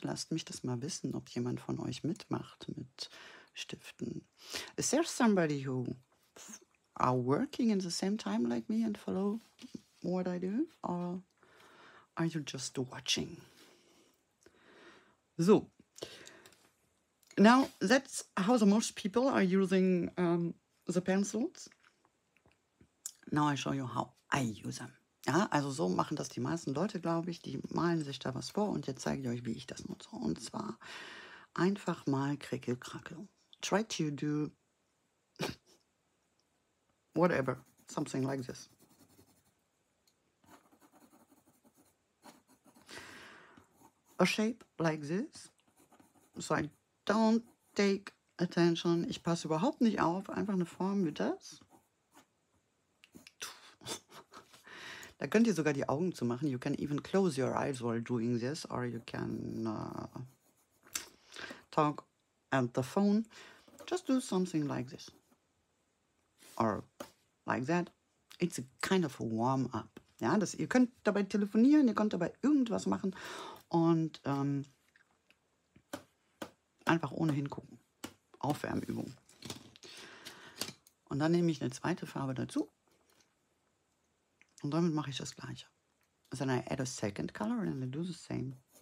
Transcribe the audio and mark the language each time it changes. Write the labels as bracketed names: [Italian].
[German] Lasst mich das mal wissen, ob jemand von euch mitmacht mit Stiften. [English] Is there somebody who are working in the same time like me and follow what I do? Or are you just watching? So. Now that's how the most people are using the pencils. Now I show you how I use them. [German] Ja, also so machen das die meisten Leute, glaube ich. Die malen sich da was vor und jetzt zeige ich euch, wie ich das nutze. Und zwar einfach mal Krickel-Krackel. [English] try to do whatever, something like this. A shape like this. So I don't take attention. [German] Ich passe überhaupt nicht auf. Einfach eine Form wie das. Da könnt ihr sogar die Augen zumachen. [English] You can even close your eyes while doing this. Or you can talk at the phone. Just do something like this. Or like that. It's a kind of a warm-up. [German] Ja, das, ihr könnt dabei telefonieren, ihr könnt dabei irgendwas machen und einfach ohne hingucken. Aufwärmübung. Und dann nehme ich eine zweite Farbe dazu. Und damit mache ich das Gleiche. [English] Then I add a second color and I do the same.